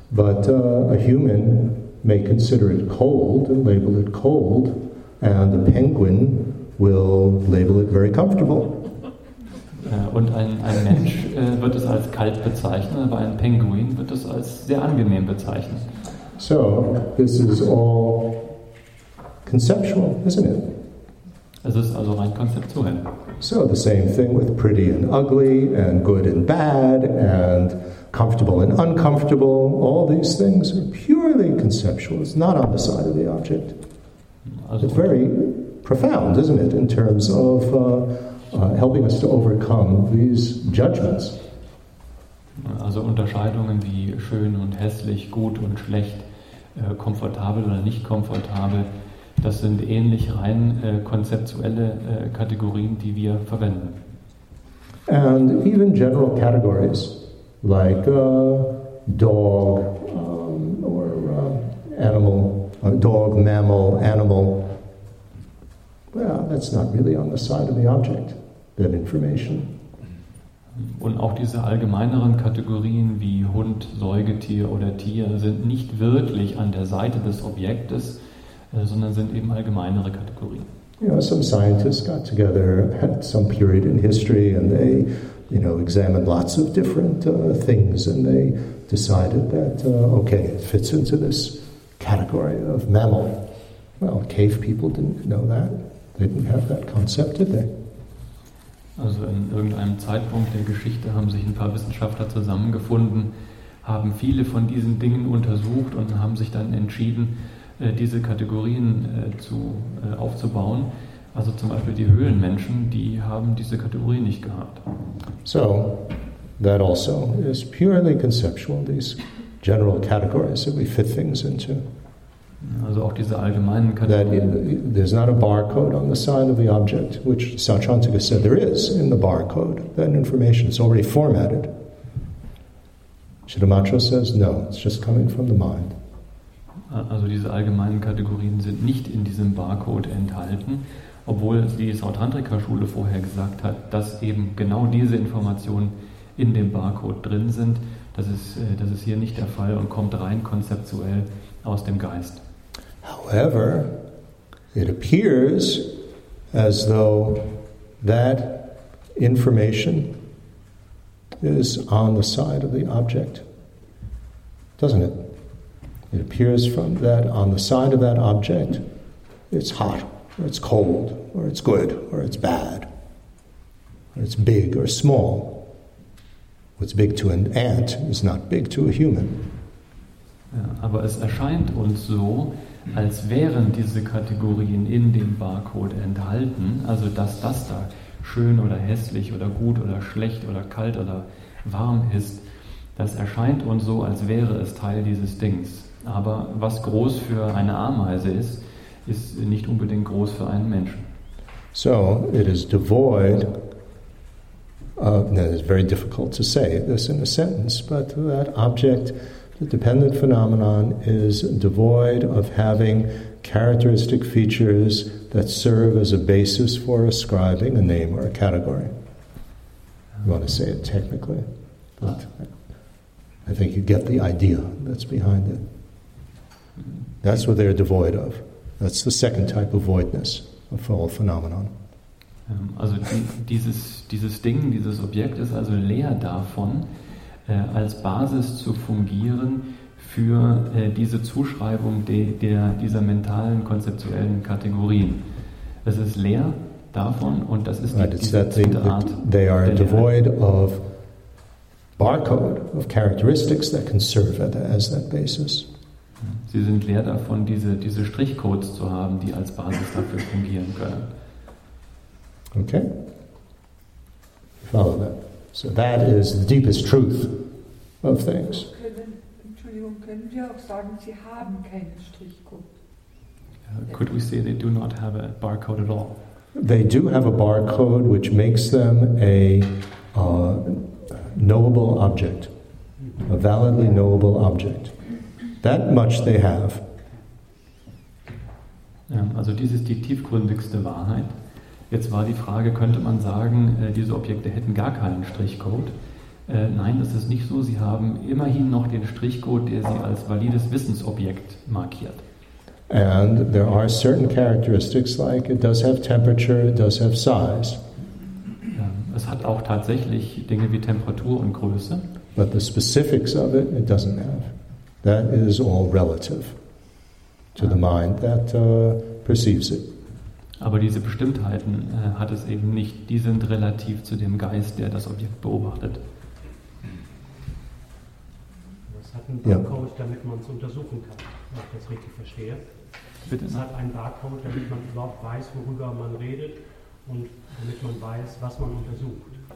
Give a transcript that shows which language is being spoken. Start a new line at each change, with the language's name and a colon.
English: But a human may consider it cold and label it cold, and a penguin will label it very comfortable.
German: Und ein Mensch wird es als kalt bezeichnen, aber ein Pinguin wird es als sehr angenehm bezeichnen.
English: So, this is all conceptual, isn't it?
German: Es ist also rein konzeptuell.
English: So, the same thing with pretty and ugly, and good and bad, and comfortable and uncomfortable. All these things are purely conceptual. It's not on the side of the object.
German: Also
English: it's very profound, isn't it, in terms of helping us to overcome these judgments.
German: Also Unterscheidungen wie schön und hässlich, gut und schlecht, komfortabel oder nicht komfortabel, das sind ähnlich rein konzeptuelle Kategorien, die wir verwenden.
English: And even general categories like dog or animal, dog, mammal, animal. Well, that's not really on the side of the object. That information.
German: Und auch diese allgemeineren Kategorien wie Hund, Säugetier oder Tier sind nicht wirklich an der Seite des Objektes, sondern sind eben allgemeinere Kategorien.
English: You know, some scientists got together at some period in history and they, you know, examined lots of different things and they decided that, okay, it fits into this category of mammal. Well, cave people didn't know that. They didn't have that concept, did they?
German: Also in irgendeinem Zeitpunkt der Geschichte haben sich ein paar Wissenschaftler zusammengefunden, haben viele von diesen Dingen untersucht und haben sich dann entschieden, diese Kategorien aufzubauen. Also zum Beispiel die Höhlenmenschen, die haben diese Kategorie nicht gehabt.
English: So, that also is purely conceptual, these general categories that we fit things into.
German: Also auch diese allgemeinen Kategorien.
English: That there's not a barcode on the side of the object, which Sanchantika said there is in the barcode. That information is already formatted. Chittamatra says no, it's just coming from the mind.
German: Also diese allgemeinen Kategorien sind nicht in diesem Barcode enthalten, obwohl die Sautantrika-Schule vorher gesagt hat, dass eben genau diese Informationen in dem Barcode drin sind. Das ist hier nicht der Fall und kommt rein konzeptuell aus dem Geist.
English: However, it appears as though that information is on the side of the object, doesn't it? It appears from that on the side of that object, it's hot, or it's cold, or it's good, or it's bad, or it's big or small. What's big to an ant is not big to a human.
German: Ja, aber es erscheint uns so, als wären diese Kategorien in dem Barcode enthalten, also dass das da schön oder hässlich oder gut oder schlecht oder kalt oder warm ist, das erscheint uns so, als wäre es Teil dieses Dings. Aber was groß für eine Ameise ist, ist nicht unbedingt groß für einen Menschen.
English: So, it is devoid. It's very difficult to say this in a sentence, but that object, the dependent phenomenon, is devoid of having characteristic features that serve as a basis for ascribing a name or a category. You want to say it technically, but I think you get the idea that's behind it. That's what they're devoid of. That's the second type of voidness, a full phenomenon.
German: Also dieses Ding, dieses Objekt ist also leer davon, als Basis zu fungieren für diese Zuschreibung dieser mentalen, konzeptuellen Kategorien. Es ist leer davon und das ist
English: right,
German: diese zweite Art.
English: They are devoid of barcode, of characteristics that can serve as that basis.
German: Sie sind leer davon, diese Strichcodes zu haben, die als Basis dafür fungieren können.
English: Okay, follow that. So that is the deepest truth of things.
German: Entschuldigung, können wir auch sagen, Sie haben keinen Strichcode? Ja,
English: could we say they do not have a barcode at all? They do have a barcode which makes them a knowable object, a validly knowable object. That much they have.
German: Also dies ist die tiefgründigste Wahrheit. Jetzt war die Frage, könnte man sagen, diese Objekte hätten gar keinen Strichcode? Nein, das ist nicht so. Sie haben immerhin noch den Strichcode, der sie als valides Wissensobjekt markiert.
English: And there are certain characteristics like it does have temperature, it does have size.
German: Es hat auch tatsächlich Dinge wie Temperatur und Größe.
English: But the specifics of it, it doesn't have. That is all relative to the mind that perceives it.
German: Aber diese Bestimmtheiten hat es eben nicht. Die sind relativ zu dem Geist, der das Objekt beobachtet. Was hat einen Barcode, damit man es untersuchen kann, wenn ich das richtig verstehe? Bitte, es hat einen Barcode, damit man überhaupt weiß, worüber man redet und damit man weiß, was man untersucht.